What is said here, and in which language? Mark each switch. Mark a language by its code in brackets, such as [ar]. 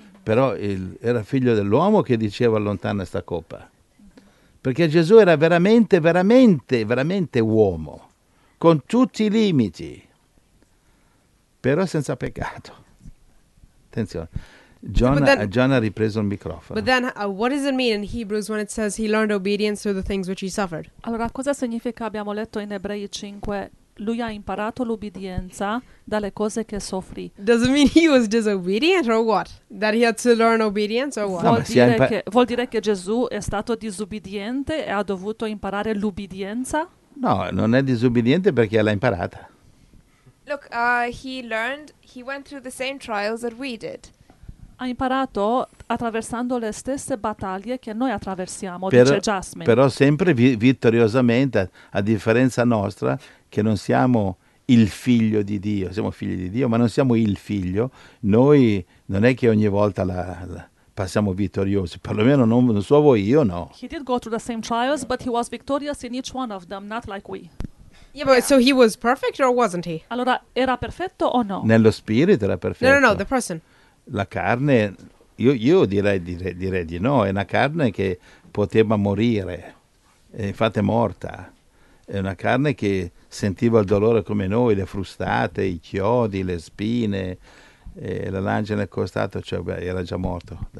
[it] Però era figlio dell'uomo che diceva allontana questa coppa. Perché Gesù era veramente, veramente, veramente uomo, con tutti i limiti, però senza peccato. Attenzione, John ha ripreso il microfono. [en] But then, what does it mean in Hebrews when it says he learned obedience through the things which he suffered? [it] Allora, cosa significa, abbiamo letto in Ebrei 5, lui ha imparato l'obbedienza dalle cose che soffrì. [en] Does it mean he was disobedient or what? That he had to learn obedience or what? [it] Vuol dire che Gesù è stato disobbediente e ha dovuto imparare l'obbedienza? No, non è disobbediente perché l'ha imparata. [en] Look, he went through the same trials that we did. [it] Ha imparato attraversando le stesse battaglie che noi attraversiamo, però, dice Jasmine. Però sempre vittoriosamente, a differenza nostra, che non siamo il figlio di Dio, siamo figli di Dio, ma non siamo il figlio. Noi non è che ogni volta passiamo vittoriosi, perlomeno non so voi, io no. [en] He did go through the same trials, but he was victorious in each one of them, not like we. Yeah, but so he was perfect or wasn't he? [it] Allora, era perfetto o no? Nello spirito era perfetto. [en] No, the person. [it] La carne, io direi di no, è una carne che poteva morire, e infatti è morta. È una carne che sentiva il dolore come noi, le frustate, i chiodi, le spine, la lancia nel costato, cioè beh, era già morto.